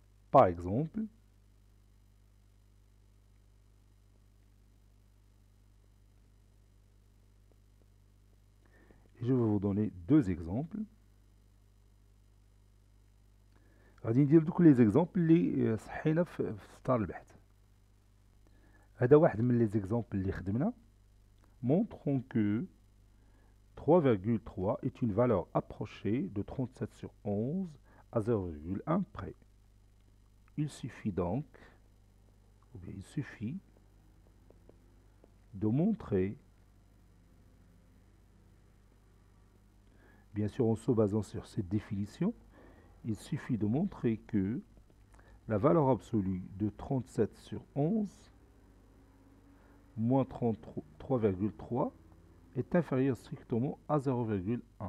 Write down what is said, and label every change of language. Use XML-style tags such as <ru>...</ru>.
<fr>Par exemple, je vais vous donner deux exemples.</fr> <ar>غادي ندير دوك</ar> <fr>لي زيكزامبل</fr> <ar>لي صحينا في دار البحث. هذا واحد من</ar> <fr>لي زيكزامبل</fr> <ar>لي خدمنا.</ar> <fr>مونطرون كو 3,3 est une valeur approchée de 37 sur 11 à 0,1 près. Il suffit donc, ou bien il suffit de montrer, bien sûr en se basant sur cette définition, il suffit de montrer que la valeur absolue de 37 sur 11 moins 33,3 est inférieure strictement à 0,1.</fr>